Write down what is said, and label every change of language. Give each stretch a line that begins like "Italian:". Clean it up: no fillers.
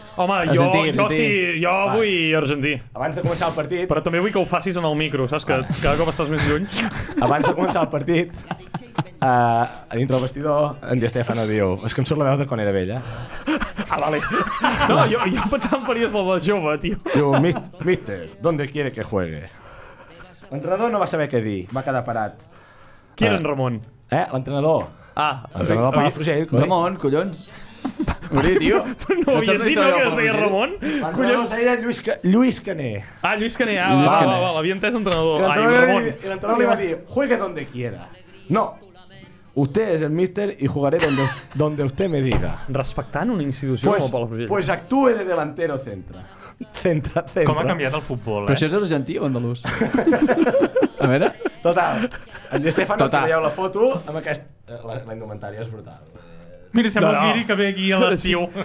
Catalan: Home, jo vull argentí. Abans de començar el partit... Però també vull que ho facis en el micro, saps? Que cada cop estàs més lluny. Abans de començar el partit, a dintre del vestidor, en Di Stéfano diu, és que em surt la veu de quan era vella. Ah, vale. No, jo pensava en faries la de jove, tio.
Spanish: Diu, mister, ¿dónde quiere que juegue?
Catalan: L'entrenador no va saber què dir, va quedar parat. Qui era en Ramon? L'entrenador. Ah, per Palafrugell, Ramon, collons. Morir, tio. No ho havies dit, no, que es deia Ramon? Collons. L'entrenador deia Lluís Cané. Ah, Lluís Cané, va. L'havia entès l'entrenador. Ai, Ramon. L'entrenador li va dir,
Spanish: juegue donde quiera. No. Usted es el míster y jugaré donde usted me diga.
Catalan: Respectant una institució com el Palafrugell.
Spanish: Pues actúe de delantero centre. Centre.
Catalan: Com ha canviat el futbol, eh? Però això és argentí o andalús? A veure. Total. En Di Stéfano, que veieu la foto amb aquest... La indumentària és brutal. Mira, sembla un guiri que ve aquí a l'estiu.